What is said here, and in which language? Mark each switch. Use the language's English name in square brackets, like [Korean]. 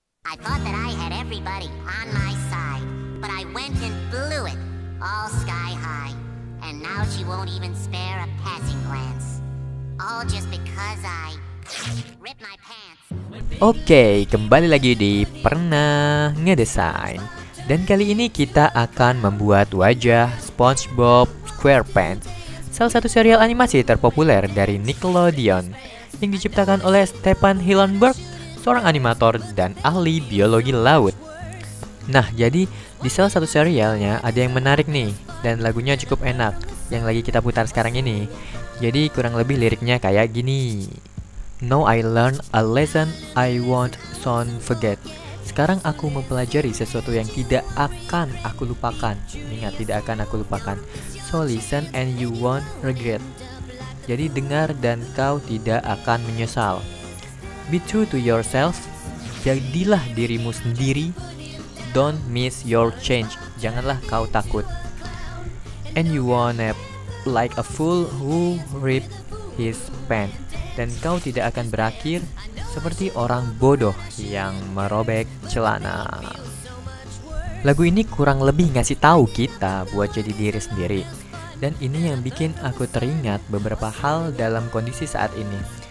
[English] I thought that I had everybody on my side, but I went and blew it all sky high. And now she won't even spare a passing glance. All just because I ripped my pants. [Indonesian] Okay, kembali lagi di Pernah Ngedesain. Dan kali ini kita akan membuat wajah SpongeBob SquarePants, salah satu serial animasi terpopuler dari Nickelodeon yang diciptakan oleh Stefan Hillenburg, seorang animator dan ahli biologi laut. Nah, jadi di salah satu serialnya ada yang menarik nih, dan lagunya cukup enak yang lagi kita putar sekarang ini. Jadi kurang lebih liriknya kayak gini. [English] Now I learn a lesson I won't soon forget. [Indonesian] Sekarang aku mempelajari sesuatu yang tidak akan aku lupakan. Ingat, tidak akan aku lupakan. [English] So listen and you won't regret. [Indonesian] Jadi dengar dan kau tidak akan menyesal. [English] Be true to yourself. [Indonesian] Jadilah dirimu sendiri. [English] Don't miss your change. [Indonesian] Janganlah kau takut. [English] And you won't act like a fool who ripped his pants. [Indonesian] Dan kau tidak akan berakhir seperti orang bodoh yang merobek celana. Lagu ini kurang lebih ngasih tahu kita buat jadi diri sendiri. Dan ini yang bikin aku teringat beberapa hal dalam kondisi saat ini.